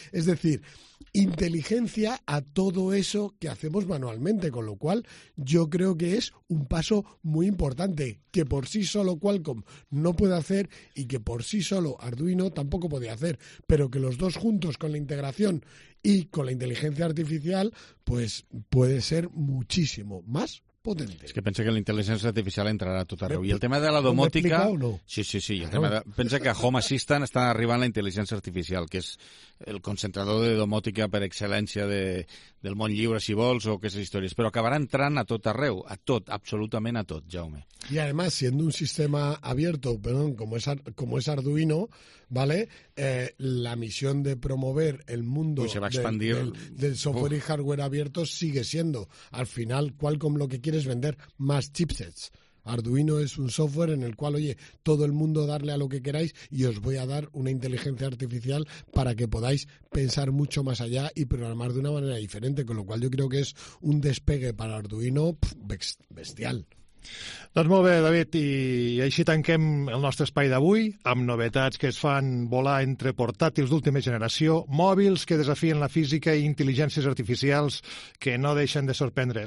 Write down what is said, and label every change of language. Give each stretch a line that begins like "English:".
Spanish: Es decir, inteligencia a todo eso que hacemos manualmente, con lo cual yo creo que es un paso muy importante que por sí solo Qualcomm no puede hacer y que por sí solo Arduino tampoco podía hacer, pero que los dos juntos con la integración y con la inteligencia artificial, pues puede ser muchísimo más potente. Es que pensé que la inteligencia artificial entrará a
Catalan: tot arreu. I el tema de la domòtica...
Spanish: No? Sí. Claro.
Catalan: Pensa que a Home Assistant està arribant la intel·ligència artificial, que és el concentrador de domòtica per excel·lència del món lliure, si vols, o aquestes històries. Però acabarà entrant a tot arreu, a tot, absolutament a tot, Jaume.
Spanish: I, además, siendo un sistema abierto, perdón, como es Arduino, ¿vale? La misión de promover el mundo del software y hardware abierto sigue siendo, al final, Qualcomm lo que quiere es vender más chipsets. Arduino es un software en el cual, oye, todo el mundo darle a lo que queráis y os voy a dar una inteligencia artificial para que podáis pensar mucho más allá y programar de una manera diferente, con lo cual yo creo que es un despegue para Arduino bestial.
Catalan: Doncs molt bé, David, i així tanquem el nostre espai d'avui amb novetats que es fan volar entre portàtils d'última generació, mòbils que desafien la física i intel·ligències artificials que no deixen de sorprendre.